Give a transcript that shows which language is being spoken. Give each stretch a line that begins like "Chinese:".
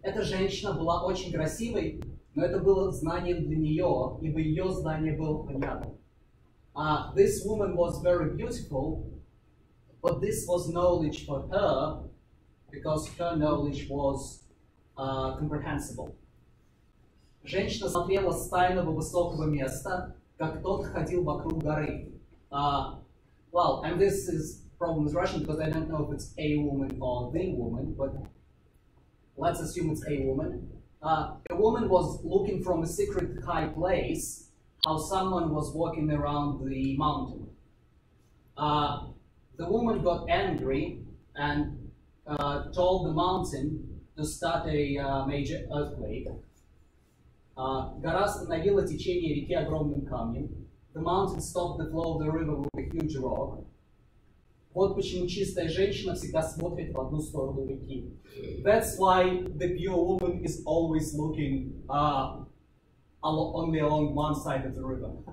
Russian: Эта женщина была очень красивой, но это было знанием для нее, ибо ее знание было понятно.
English: This woman was very beautiful, but this was knowledge for her, because her knowledge was comprehensible.
Russian: Женщина смотрела с тайного высокого места, как тот ходил вокруг горы.
English: Well, and this is problem with Russian, because I don't know if it's a woman or the woman, but let's assume it's a woman. A woman was looking from a secret high place how someone was walking around the mountain. The woman got angry and told the mountain to start a major earthquake.
Russian: Гора остановила течение реки огромным камнем.
English: The mountain stopped the flow of the river with a huge rock.
Russian: Вот почему чистая женщина всегда смотрит в одну сторону реки.
English: That's why the pure woman is always looking only along one side of the river.